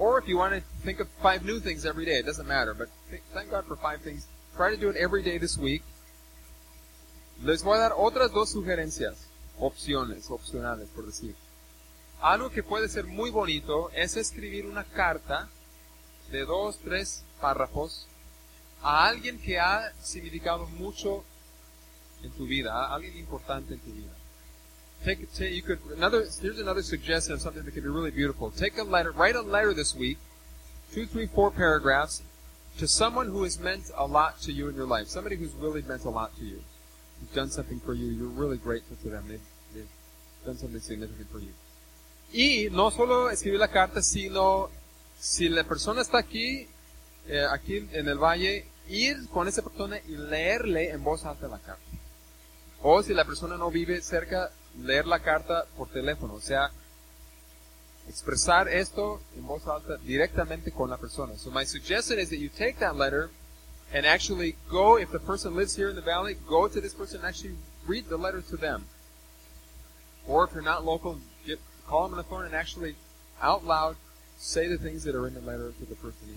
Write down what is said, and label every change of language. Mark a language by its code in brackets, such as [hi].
[en] Or if you want to think of 5 new things every day, it doesn't matter, but thank God for 5 things. Try to do it every day this week. [es] Les voy a dar otras 2 sugerencias, opcionales, por decir. Algo que puede ser muy bonito es escribir una carta de 2-3 párrafos a alguien que ha significado mucho en tu vida, a alguien importante en tu vida. [en] Here's another suggestion of something that could be really beautiful. Take a letter, write a letter this week, 2-4 paragraphs, to someone who has meant a lot to you in your life, somebody who's really meant a lot to you, who's done something for you, you're really grateful to them, they've done something significant for you. [es] Y no solo escribir la carta, sino si la persona está aquí en el valle, ir con esa persona y leerle en voz alta la carta. O si la persona no vive cerca, leer la carta por teléfono. O sea, expresar esto en voz alta directamente con la persona. [en] So my suggestion is that you take that letter and actually go, if the person lives here in the valley, go to this person and actually read the letter to them. Or if you're not local, call them on the phone and actually, out loud, say the things that are in the letter to the person.